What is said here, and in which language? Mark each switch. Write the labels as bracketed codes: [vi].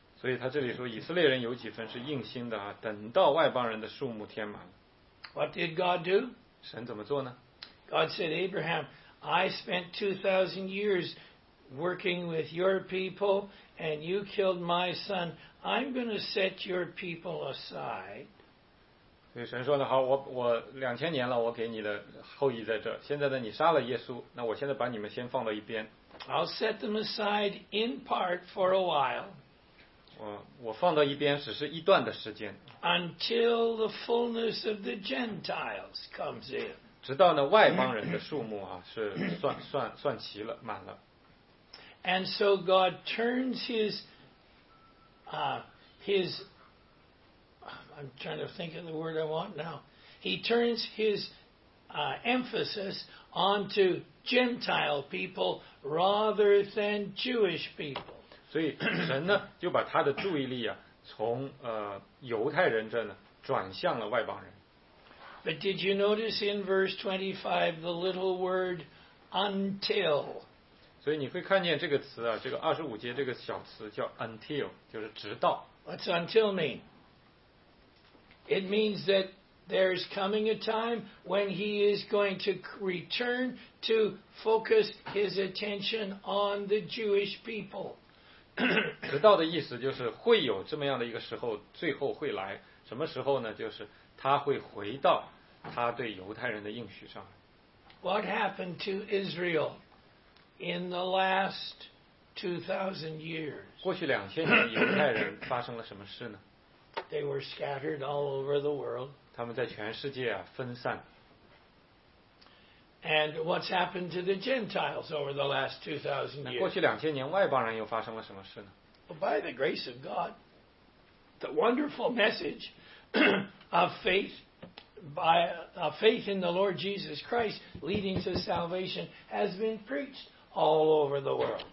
[zh] 所以他这里说以色列人有几分是硬心的啊，等到外邦人的数目填满了。 [en] What did God do? [zh] 神怎么做呢？ [en] God said, Abraham, I spent 2,000 years working with your people and you killed my son. I'm going to set your people aside. [zh] 所以神说呢，好，我两千年了，我给你的后裔在这。现在呢，你杀了耶稣，那我现在把你们先放到一边。 [en] I'll set them aside in part for a while. [zh] 我放到一边，只是一段的时间。 [en] Until the fullness of the Gentiles comes in. [zh] 直到呢外邦人的数目啊是算齐了，满了。 [en] And so God turns his I'm trying to think of the word I want now. He turns his emphasis onto Gentile people rather than Jewish people. [zh] 所以神呢就把他的注意力啊从犹太人这呢转向了外邦人。 [en] But did you notice in verse 25 the little word until? [zh] 所以你会看见这个词啊，这个二十五节这个小词叫 until， 就是直到。 [en] What's until mean? It means that there's coming a time when he is going to return to focus his attention on the Jewish people. [zh] 直到的意思就是会有这么样的一个时候，最后会来。什么时候呢？就是他会回到他对犹太人的应许上。 [en] What happened to Israel in the last 2,000 years? [zh] 过去两千年，犹太人发生了什么事呢？ [en] They were scattered all over the world. [zh] 他们在全世界啊分散。 [en] And what's happened to the Gentiles over the last 2,000 years? [zh] 过去两千年，外邦人又发生了什么事呢？ [en] Well, by the grace of God, the wonderful message of faith. By faith in the Lord Jesus Christ leading to salvation has been preached all over the world.